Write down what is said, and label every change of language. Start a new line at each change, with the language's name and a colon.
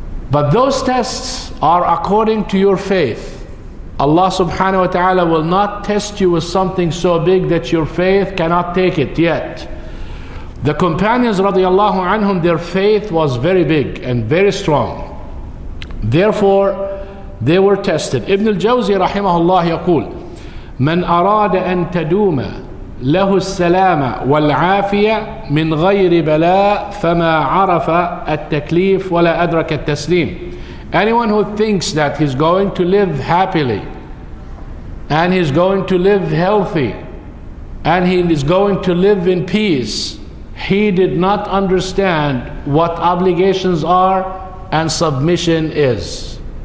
English: But those tests are according to your faith. Allah subhanahu wa ta'ala will not test you with something so big that your faith cannot take it yet. The companions radiallahu anhum, their faith was very big and very strong. Therefore, they were tested.
Arabic: Ibn al-Jawzi rahimahullah yaqul, من أراد أن تدوم له السلامة والعافية من غير بلاء فما عرف التكليف ولا أدرك التسليم.
English: Anyone who thinks that he's going to live happily and he's going to live healthy and he is going to live in peace, he did not understand what obligations are and submission is.